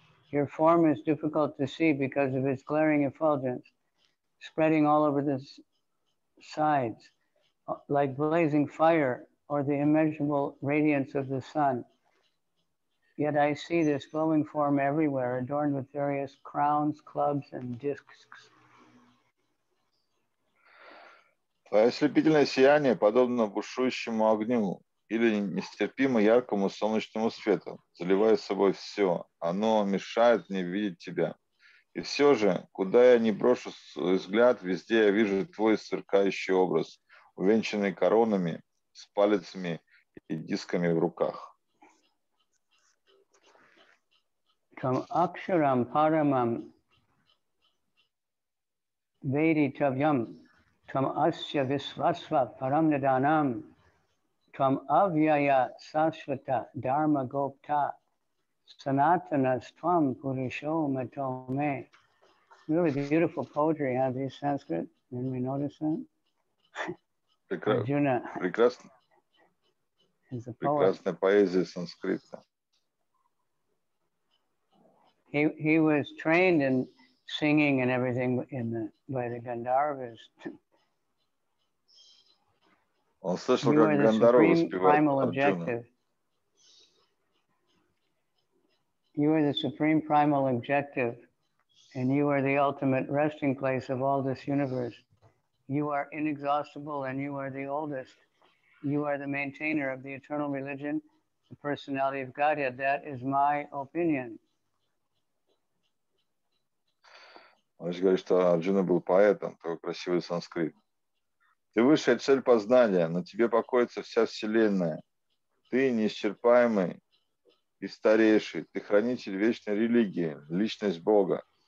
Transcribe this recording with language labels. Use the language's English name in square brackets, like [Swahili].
[English] Your form is difficult to see because of its glaring effulgence, spreading all over the sides, like blazing fire or the immeasurable radiance of the sun. Yet I see this glowing form everywhere, adorned with various crowns, clubs, and discs. [Russian] Твое ослепительное сияние подобно бушующему огню или нестерпимо яркому солнечному свету, заливая собой все. Оно мешает мне видеть тебя. И все же, куда я ни брошу свой взгляд, везде я вижу твой сверкающий образ, увенчанный коронами, с палецами и дисками в руках. [Sanskrit] Там акшарам парамам вейритавьям там асья висвасва парамнаданам там авьяя сашвата дарма гопта санатанас там пуришо матоме. [English] Really beautiful poetry, huh, these Sanskrit? Didn't we notice that? Arjuna is a poet. [Russian] Прекрасная поэзия санскрита. [English] He was trained in singing and everything by the Gandharvas. [Russian] Он слышал, как Гандхарва воспевал Арджуну. [English] You are the supreme primal objective. And you are the ultimate resting place of all this universe. You are inexhaustible and you are the oldest. You are the maintainer of the eternal religion, the personality of Godhead. That is my opinion. [Russian] Он говорит, что Арджуна был поэтом, такой красивый санскрит. Ты высшая цель познания, на тебе покоится вся вселенная. Ты неисчерпаемый и старейший. Ты хранитель вечной религии, личность Бога.